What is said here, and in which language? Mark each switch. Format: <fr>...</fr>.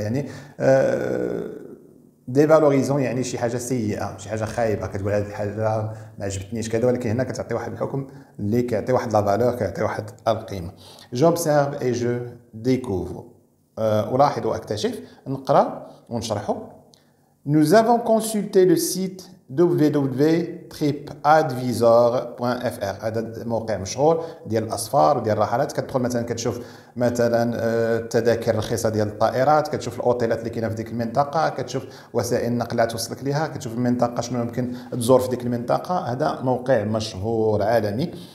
<ar>يعني دي فالوريزون يعني شي حاجه سيئه، شي حاجه خايبه، كتقول هذه الحاجه ما عجبتنيش كذا، ولكن هنا كتعطي واحد الحكم اللي كيعطي واحد لا فالور، كيعطي واحد القيمه.</ar> <fr>جوبسيرف اي جو ديكوفر،</fr> <ar>ولاحظ واكتشف. نقرا ونشرحه.</ar> <fr>Nous avons consulté le site www.tripadvisor.fr.</fr> <ar>هذا موقع مشهور ديال الاسفار وديال الرحلات. كتدخل مثلا كتشوف مثلا التذاكر الرخيصه ديال الطائرات، كتشوف الاوتيلات اللي كاينه في ديك المنطقه، كتشوف وسائل النقل توصلك ليها، كتشوف المنطقه شنو ممكن تزور في ديك المنطقه. هذا موقع مشهور عالمي.</ar>